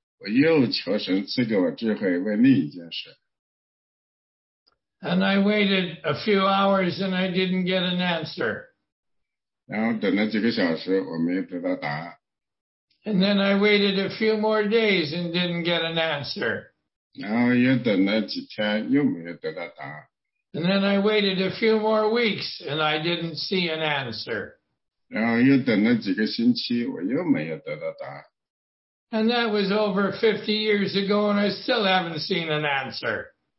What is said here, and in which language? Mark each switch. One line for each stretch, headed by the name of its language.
Chinese: 所以呢，几年以后，我又求神赐给我智慧，为另一件事。
English: And I waited a few hours and I didn't get an answer.
Chinese: 然后等了几个小时，我没得到答案。
English: And then I waited a few more days and didn't get an answer.
Chinese: 然后又等了几天，又没有得到答案。
English: And then I waited a few more weeks and I didn't see an answer.
Chinese: 然后又等了几个星期，我又没有得到答案。
English: And that was over 50 years ago and I still haven't seen an answer.